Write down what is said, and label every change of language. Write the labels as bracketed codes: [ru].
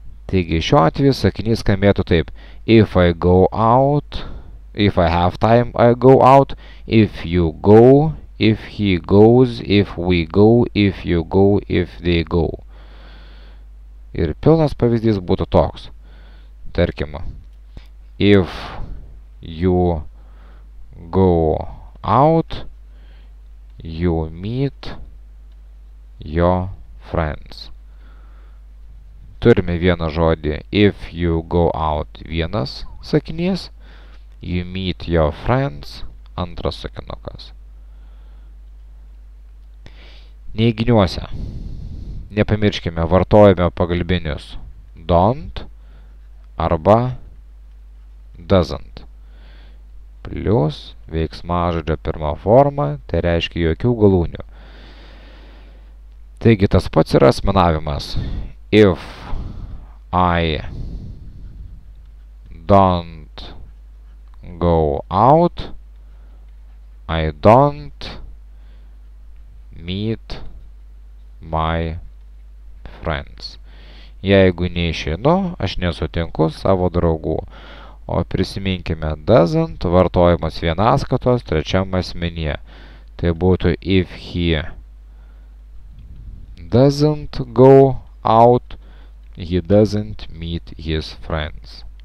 [lt] Taigi, šiuo atveju sakinys skambėtų taip. [en] If I go out, if I have time, I go out. If you go, if he goes, if we go, if you go, if they go. [lt] Ir pilnas pavyzdys būtų toks. Tarkime, [en] if you go out, you meet your friends. [lt] Turime vieną žodį. [en] If you go out, [lt] vienas sakinys. [en] You meet your friends, [lt] antras sakinukas. Neiginiuose. Nepamirškime, vartojame pagalbinius don't arba doesn't. Plius veiksmažodžio pirma forma, tai reiškia jokių galūnių. Taigi, tas pats yra asmenavimas. [en] If I don't go out, I don't meet my friends. [lt] Jeigu neišeinu, aš nesutinku savo draugų. O prisiminkime, doesn't vartojamas vienaskatos trečiam asmenyje. Tai būtų, [en] if he doesn't go out, he doesn't meet his friends.